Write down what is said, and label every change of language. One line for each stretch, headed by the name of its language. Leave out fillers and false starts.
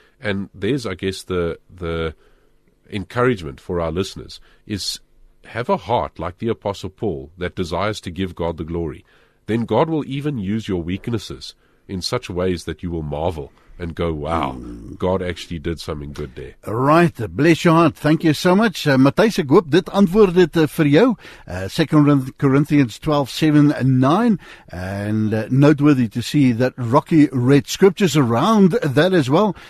English: And there's, I guess, the encouragement for our listeners is, have a heart like the Apostle Paul that desires to give God the glory. Then God will even use your weaknesses in such ways that you will marvel and go, "Wow, God actually did something good there." Right, bless your heart. Thank you so much.
Afrikaans: Matthijs, ek hoop dit antwoord dit vir jou.
English: 2 Corinthians 12:7-9. And noteworthy to see that Rocky read scriptures around that as well.